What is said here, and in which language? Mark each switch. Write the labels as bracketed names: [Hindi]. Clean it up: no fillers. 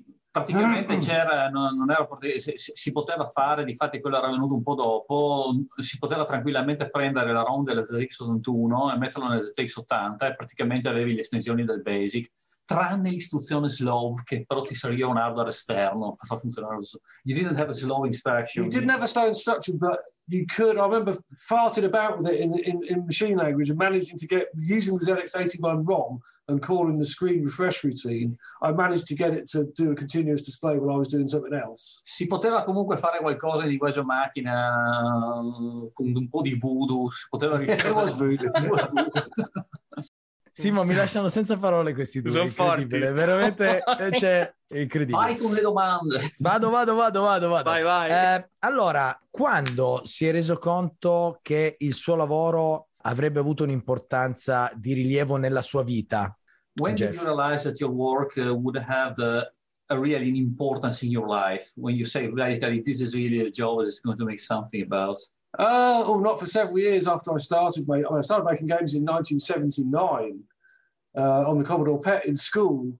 [Italian] Praticamente c'era, non era, si poteva fare, difatti quello era venuto un po' dopo, si poteva tranquillamente prendere la ROM della ZX81 e metterla nella ZX80 e praticamente avevi le estensioni del BASIC, tranne l'istruzione SLOV, che però ti serviva un hardware esterno per far funzionare. [English] You didn't have a SLOV instruction. You didn't have a SLOV instruction, but you could, I remember farting about with it in machine language and managing to get, using the ZX81 ROM, and calling the screen refresh routine, I managed to get it to do a continuous display while I was doing something else. [Italian] Si poteva comunque fare qualcosa in linguaggio macchina con un po' di voodoo, si poteva riuscire. [English] It was voodoo. [Italian] Simo, mi lasciano senza parole questi due. Sono forti. Veramente, cioè, incredibile. Vai con le domande. Vado. Vai. Allora, quando si è reso conto che il suo lavoro avrebbe avuto un'importanza di rilievo nella sua vita? [English] When did you realize that your work would have a real importance in your life? When you say, really, this is really a job that's going to make something about? Not for several years after I started. I started making games in 1979 on the Commodore PET in school.